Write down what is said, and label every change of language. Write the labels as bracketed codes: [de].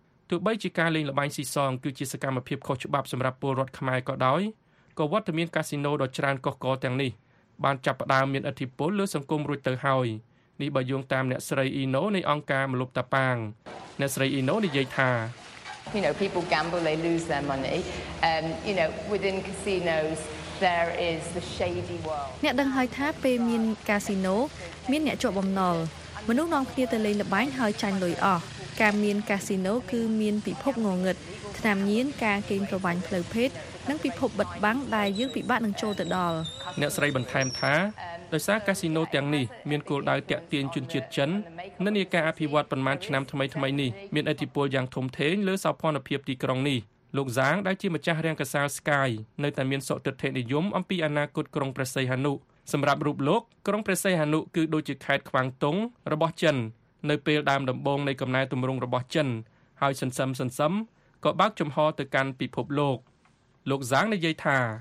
[km] ទោះបីជាការលេងល្បែងស៊ីសងគឺជាសកម្មភាពខុសច្បាប់សម្រាប់ពលរដ្ឋខ្មែរក៏ដោយក៏វត្តមានកាស៊ីណូដ៏ច្រើនកុះករទាំងនេះបានចាប់ផ្ដើមមានឥទ្ធិពលលើសង្គមរួចទៅហើយនេះបើយោងតាមអ្នកស្រីអ៊ីណូនៃអង្គការមលុបតាប៉ាងអ្នកស្រីអ៊ីណូនិយាយថា [en] People gamble, they lose their money. Within casinos, there is the shady world. [km] អ្នកដឹងហើយថាពេលមានកាស៊ីណូមានអ្នកជាប់បំណុលមនុស្សនាំគ្នាទៅលេងល្បែងហើយចាញ់លុយអស់ការមានកាស៊ីណូគឺមានពិភពងងឹតថ្នាំញៀនការកេងប្រវ័ញ្ចផ្លូវភេទនិងពិភពបិទបាំងដែលយើងពិបាកនឹងចូលទៅដល់អ្នកស្រីបន្ថែមថាដោយសារកាស៊ីណូទាំងនេះមានគោលដៅទាក់ទាញជនជាតិចិននិន្នាការអភិវឌ្ឍប្រមាណឆ្នាំថ្មីៗនេះមានឥទ្ធិពលយ៉ាងធំធេងលើសោភ័ណភាពទីក្រុងនេះលោកហ្សាងដែលជាម្ចាស់រាងកសាល Sky នៅតែមានសុទិដ្ឋិនិយមអំពីអនាគតក្រុងព្រះសីហនុសម្រាប់រូបលោកក្រុងព្រះសីហនុគឺដូចជាខេត្តខ្វាងតុងរបស់ចិននៅពេលដើមដំបូងនៃកំណែទម្រង់របស់ចិនហើយសន្សឹមក៏បើកចំហទៅកាន់ពិភពលោកលោកហ្សាងនិយាយថា